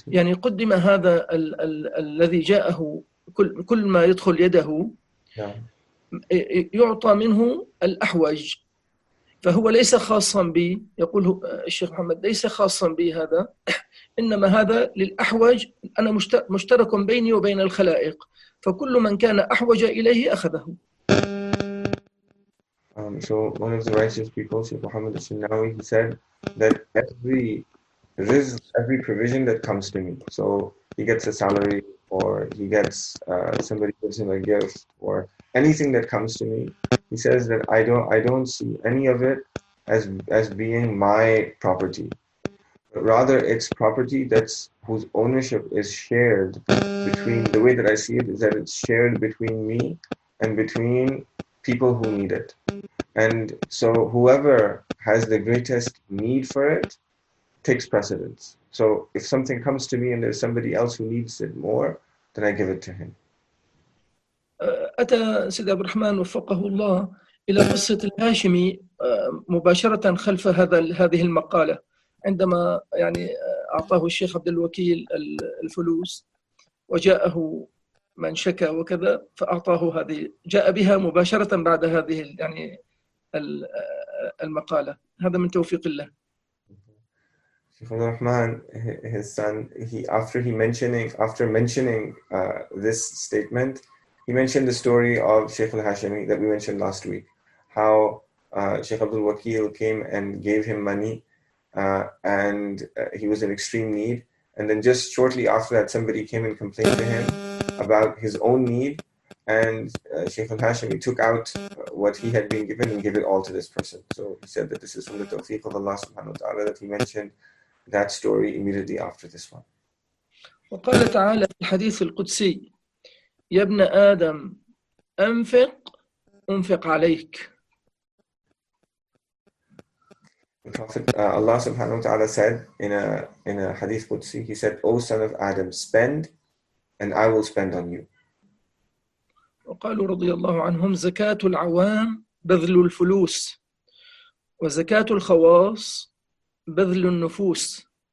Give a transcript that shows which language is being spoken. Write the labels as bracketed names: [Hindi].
[Arabic] يعني قدم هذا الذي جاءه كل ما يدخل يده، يعطى منه الأحوج، فهو ليس خاصا بي. يقول الشيخ محمد: ليس خاصا بي هذا، إنما هذا للأحوج، أنا مشترك بيني وبين الخلائق، فكل من كان أحوج إليه أخذه. [English] So one of the righteous people, Sheikh Muhammad al-Sinnawi, he said that every rizq, every provision that comes to me, so he gets a salary, or he gets, somebody gives him a gift, or anything that comes to me, he says that I don't see any of it as being my property. But rather, it's property that's whose ownership is shared between, the way that I see it is that it's shared between me and between people who need it. And so whoever has the greatest need for it takes precedence. So if something comes to me and there's somebody else who needs it more, then I give it to him. [Arabic] أتى سيد عبد الرحمن وفقه الله إلى قصة الهاشمي مباشرة خلف هذه المقالة، عندما يعني أعطاه الشيخ عبد الوكيل الفلوس وجاءه من شكى وكذا، فأعطاه هذه، جاء بها مباشرة بعد هذه يعني المقالة. هذا من توفيق الله. [English] Sheikh Abdul Rahman, his son, after mentioning this statement, he mentioned the story of Sheikh al-Hashimi that we mentioned last week, how Sheikh Abdul Wakil came and gave him money, and he was in extreme need, and then just shortly after that somebody came and complained to him about his own need, and Sheikh al-Hashimi took out what he had been given and gave it all to this person. So he said that this is from the tawfiq of Allah subhanahu wa ta'ala that he mentioned that story immediately after this one. [Arabic] وقال تعالى في الحديث القدسي: يا ابن آدم أنفق عليك. [English] The Prophet, Allah subhanahu wa ta'ala said in a hadith qudsi, he said, O son of Adam, spend and I will spend on you. [Arabic] وقالوا رضي الله عنهم: زكاة العوام بذل الفلوس. وزكاة الخواص بذل النفوس.